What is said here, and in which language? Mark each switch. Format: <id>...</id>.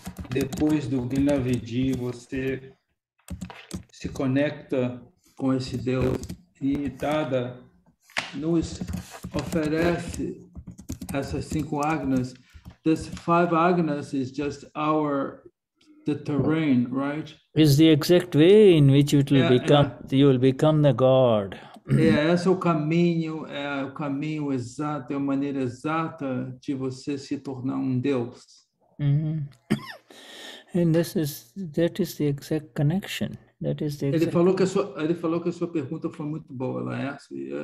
<pt>Depois do Gnanvidhi, você se conecta com esse Deus e Dada nos oferece essas cinco agnas.</pt> <en>This five agnas is just the terrain, right? Is the exact way in which it will become. You will become the God.</en> <pt>Esse é o caminho exato, é a maneira exata de você se tornar um Deus.</pt> <en>And that is the exact connection. That is the exact.</en> <pt>Ele falou que a sua pergunta foi muito boa, Laércio.</pt>